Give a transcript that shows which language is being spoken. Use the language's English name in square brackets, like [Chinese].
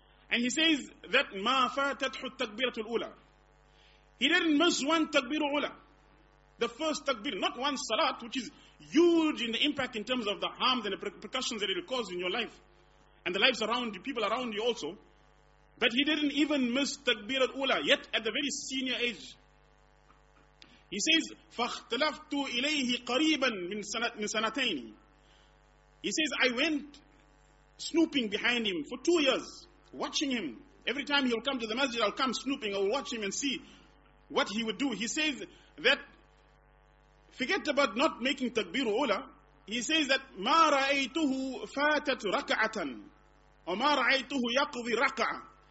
[English] And he says that [Arabic] ma fatatuhu takbiratul ula. [English] He didn't miss one takbiru ula. The first takbir, not one salat, which is huge in the impact in terms of the harm and the repercussions that it will cause in your life and the lives around you, people around you also. But he didn't even miss takbir al-ula, yet at the very senior age. He says, [Arabic] فَاخْتَلَفْتُ إِلَيْهِ قَرِيبًا مِنْ سَنَتَيْنِ. [English] He says, I went snooping behind him for 2 years, watching him. Every time he'll come to the masjid, I'll come snooping, I'll watch him and see what he would do. He says that, forget about not making takbir ula. He says that [Arabic] ma ra'aytuhu fatat raka'atan or ma ra'aytuhu yaqdi raka'a.